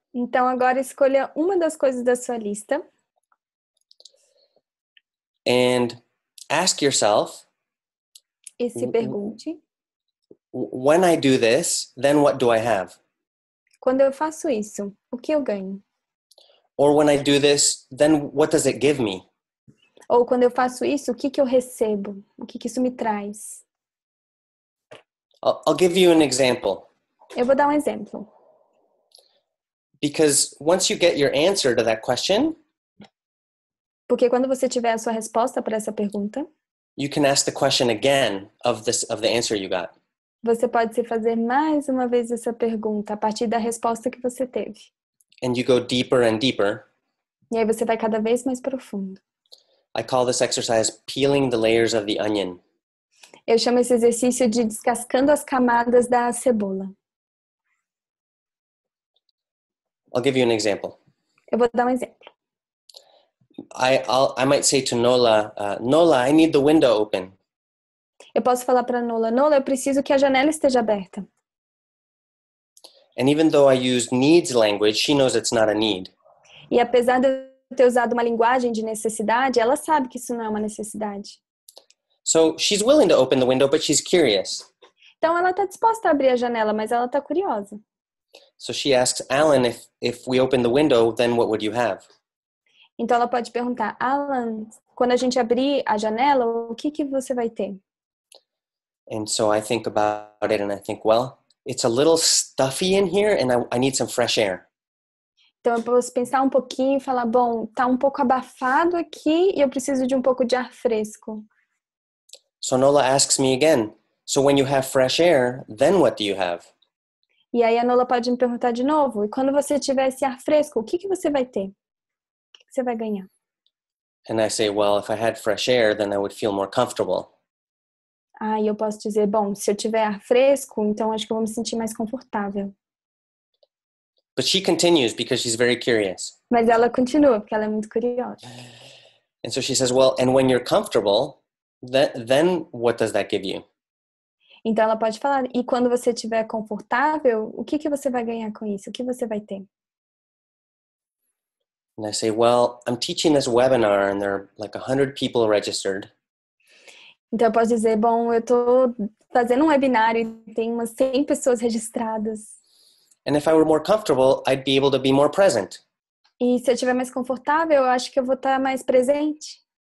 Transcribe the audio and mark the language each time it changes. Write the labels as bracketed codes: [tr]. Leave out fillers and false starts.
[pt] Então agora escolha uma das coisas da sua lista. [en] And ask yourself. [pt] E se pergunte. [en] When I do this, then what do I have? [pt] Quando eu faço isso, o que eu ganho? [en] Or when I do this, then what does it give me? [pt] Ou quando eu faço isso, o que que eu recebo? O que que isso me traz? [en] I'll give you an example. [pt] Eu vou dar um exemplo. [en] Because once you get your answer to that question, [pt] porque quando você tiver a sua resposta para essa pergunta, [en] you can ask the question again of the answer you got. [pt] Você pode se fazer mais uma vez essa pergunta a partir da resposta que você teve. [en] And you go deeper and deeper. [pt] E aí você vai cada vez mais profundo. [en] I call this exercise peeling the layers of the onion. [pt] Eu chamo esse exercício de descascando as camadas da cebola. [en] I'll give you an example. [pt] Eu vou dar um exemplo. [en] I might say to Nola, Nola, I need the window open. [pt] Eu posso falar para Nola, Nola, eu preciso que a janela esteja aberta. [en] And even though I use needs language, she knows it's not a need. [pt] E apesar de eu ter usado uma linguagem de necessidade, ela sabe que isso não é uma necessidade. [en] So she's willing to open the window, but she's curious. [pt] Então ela está disposta a abrir a janela, mas ela está curiosa. [en] So she asks Alan, if we open the window, then what would you have? [pt] Então ela pode perguntar, Alan, quando a gente abrir a janela, o que que você vai ter? [en] And so I think about it and I think, well, it's a little stuffy in here and I need some fresh air. [pt] Então eu posso pensar um pouquinho e falar, bom, tá um pouco abafado aqui e eu preciso de um pouco de ar fresco. [en] So Nola asks me again, so when you have fresh air, then what do you have? [pt] E aí a Nola pode me perguntar de novo, e quando você tiver esse ar fresco, o que que você vai ter? O que que você vai ganhar? [en] And I say, well, if I had fresh air, then I would feel more comfortable. [pt] Ah, e eu posso dizer, bom, se eu tiver ar fresco, então acho que eu vou me sentir mais confortável. [en] But she continues because she's very curious. [pt] Mas ela continua, porque ela é muito curiosa. [en] And so she says, well, and when you're comfortable, then what does that give you? [pt] Então ela pode falar, e quando você estiver confortável, o que que você vai ganhar com isso? O que você vai ter? [en] And I say, well, I'm teaching this webinar and there are like 100 people registered. [pt] Então eu posso dizer, bom, eu tô fazendo um webinar e tem umas 100 pessoas registradas. [en] And if I were more comfortable, I'd be able to be more present. [pt] E se eu estiver mais confortável, eu acho que eu vou estar mais presente.